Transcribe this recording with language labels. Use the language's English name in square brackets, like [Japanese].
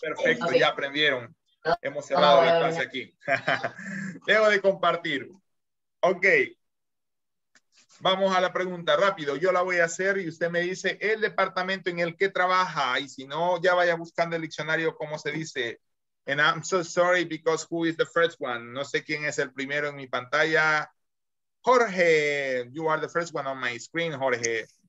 [Spanish] Perfecto, okay. Ya aprendieron. Hemos cerrado la clase aquí. Debo de compartir. Ok. Vamos a la pregunta rápido. Yo la voy a hacer y usted me dice el departamento en el que trabaja. Y si no, ya vaya buscando el diccionario cómo se dice. [English] And I'm so sorry because who is the first one? [Spanish] No sé quién es el primero en mi pantalla. [English] Jorge, you are the first one on my screen, Jorge.